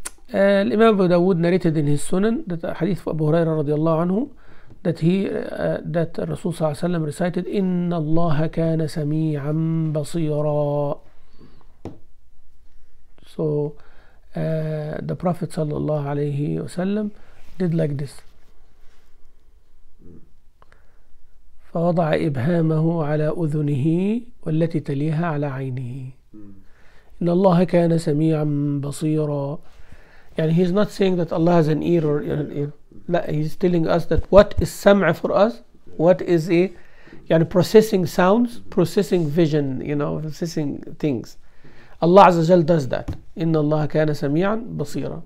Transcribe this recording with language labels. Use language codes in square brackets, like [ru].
[en] Imam Abu Dawood narrated in his Sunan that the hadith of Abu Huraira radiallahu anhu, that he that Rasul Sallallahu Alaihi Wasallam recited, [ar] "Inna Allah kana sami'an basira." [en] So the Prophet sallallahu alayhi wasallam did like this. [ar] فوضع إبهامه على أذنه والتي تليها على عينه. إن الله كان سميعا بصيرا. يعني [en] he's not saying that Allah has an ear or an ear. [ar] لا, [en] he's telling us that what is سمع for us, what is a, يعني processing sounds, processing vision, you know, processing things. Allah Azza wa Jal does that. [ar] إِنَّ اللَّهَ كَانَ سَمِيعًا بَصِيرًا.